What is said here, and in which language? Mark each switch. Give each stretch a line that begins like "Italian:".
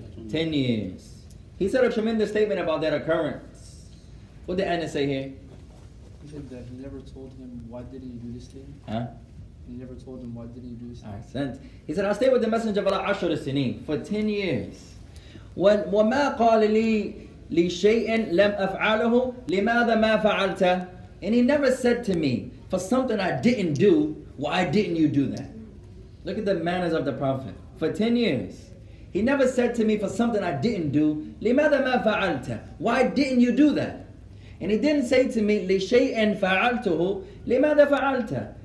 English: 10 years. He said a tremendous statement about that occurrence. What did Anas say here? He said that he never told him why didn't he do this thing. Huh? He never told him why didn't he do this thing. Accent. He said, I stayed with the Messenger of Allah
Arabic: ashr as-sinin
English: for 10 years.
Arabic: وما قال لي لشيء لم أفعله لماذا ما فعلت.
English: And he never said to me, for something I didn't do, why didn't you do that? Look at the manners of the Prophet. For 10 years, he never said to me, for something I didn't do,
Arabic: لماذا ما فعلت,
English: why didn't you do that? And he didn't say to me,
Arabic: لشيء فعلته لماذا فعلت.